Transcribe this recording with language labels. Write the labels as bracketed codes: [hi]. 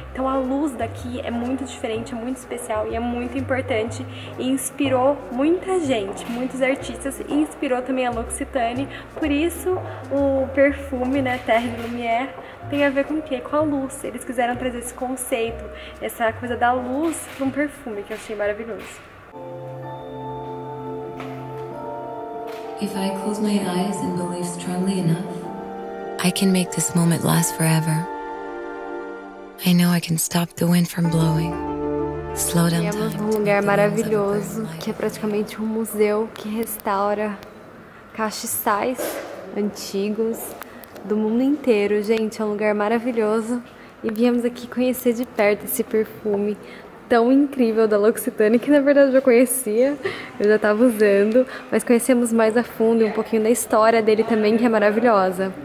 [pt] Então a luz daqui é muito diferente, é muito especial e é muito importante, e inspirou muita gente, muitos artistas, e inspirou também a L'Occitane. Por isso o perfume, né, Terre de Lumière, tem a ver com o quê? Com a luz. Eles quiseram trazer esse conceito, essa coisa da luz, para um perfume, que eu achei maravilhoso. [en] If I close my eyes and believe strongly enough, I can make this moment last forever. I know I can stop the wind from blowing. Slow down time. [pt] É um lugar maravilhoso, que é praticamente um museu que restaura castiçais antigos do mundo inteiro, gente, é um lugar maravilhoso, e viemos aqui conhecer de perto esse perfume tão incrível da L'Occitane, que na verdade eu conhecia, eu já estava usando, mas conhecemos mais a fundo e um pouquinho da história dele também, que é maravilhosa.